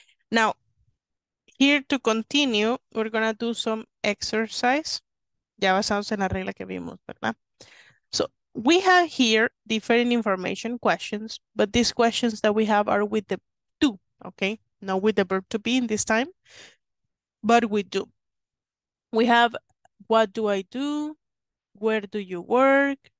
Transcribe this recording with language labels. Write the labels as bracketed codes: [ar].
[en] Now, here to continue, we're going to do some exercise. [es] Ya basados en la regla que vimos, ¿verdad? [en] So, we have here different information questions, but these questions that we have are with the do, okay? Not with the verb to be in this time, but with do. We have, what do I do? Where do you work?